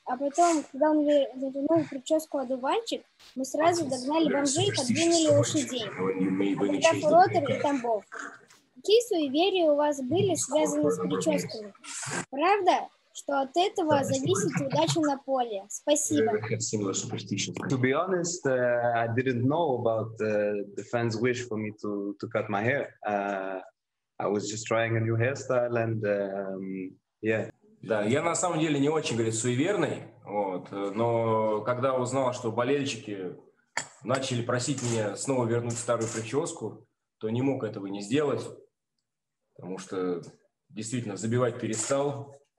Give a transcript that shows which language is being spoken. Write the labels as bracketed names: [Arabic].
[Russian] А потом, когда он вернул прическу одуванчик, мы сразу догнали бомжей и подвинули лошадей. Это Флотер и Тамбов. Какие суеверия у вас были связаны с прическами? Правда? Что от этого зависит удача на поле. Спасибо. [English] To be honest, I didn't know about the fans' wish for me to cut my hair. I was just trying a new hairstyle and yeah. [Russian] Да, я на самом деле не очень, говорит, суеверный, вот, но когда узнал, что болельщики начали просить меня снова вернуть старую прическу, то не мог этого не сделать, потому что действительно забивать перестал.